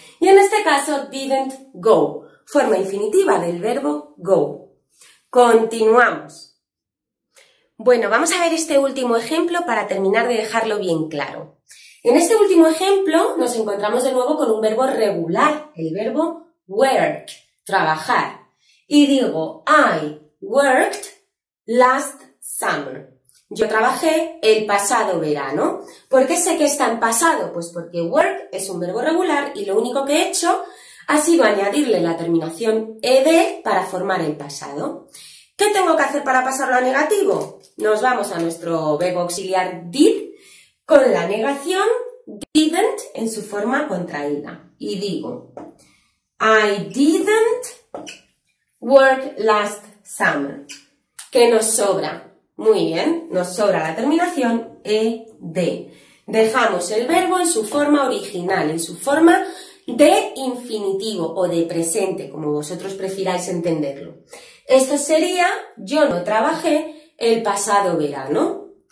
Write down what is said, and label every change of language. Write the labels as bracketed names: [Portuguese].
[Spanish] Y en este caso, didn't go, forma infinitiva del verbo go. Continuamos. Bueno, vamos a ver este último ejemplo para terminar de dejarlo bien claro. En este último ejemplo nos encontramos de nuevo con un verbo regular, el verbo work, trabajar. Y digo, [English] I worked last summer. [Spanish] Yo trabajé el pasado verano. ¿Por qué sé que está en pasado? Pues porque work es un verbo regular y lo único que he hecho ha sido añadirle la terminación ed para formar el pasado. ¿Qué tengo que hacer para pasarlo a negativo? Nos vamos a nuestro verbo auxiliar did con la negación didn't en su forma contraída. Y digo, [English] I didn't work last summer. [Spanish] ¿Qué nos sobra? Muy bien, nos sobra la terminación ed. Dejamos el verbo en su forma original, en su forma de infinitivo o de presente, como vosotros prefiráis entenderlo. Esto sería, yo no trabajé el pasado verano.